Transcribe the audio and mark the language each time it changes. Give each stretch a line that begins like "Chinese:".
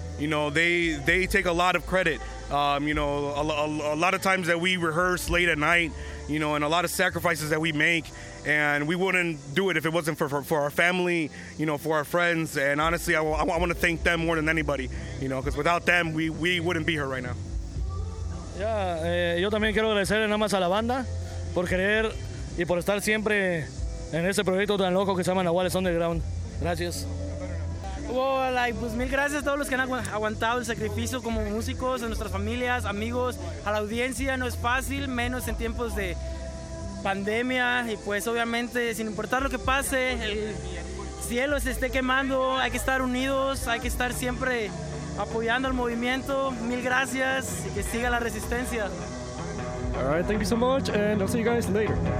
English: You know, they take a lot of credit. You know, a lot of times that we rehearse late at night, you know, and a lot of sacrifices that we make. And we wouldn't do it if it wasn't for our family, you know, for our friends. And honestly, I want to thank them more than anybody, you know, because without them, we wouldn't be here right now.
Spanish: Yeah, yo también quiero agradecer nada más a la banda por querer y por estar siempre en ese proyecto tan loco que se llama Nahuales Underground. Gracias. Well, pues mil gracias a todos los que han aguantado el sacrificio como músicos, a nuestras familias, amigos, a la audiencia. No es fácil, menos en tiempos de pandemia. Y pues obviamente, sin importar lo que pase, el cielo se esté quemando, hay que estar unidos, hay que estar siempre apoyando al movimiento. Mil gracias y que siga la resistencia.
English: All right, thank you so much and I'll see you guys later.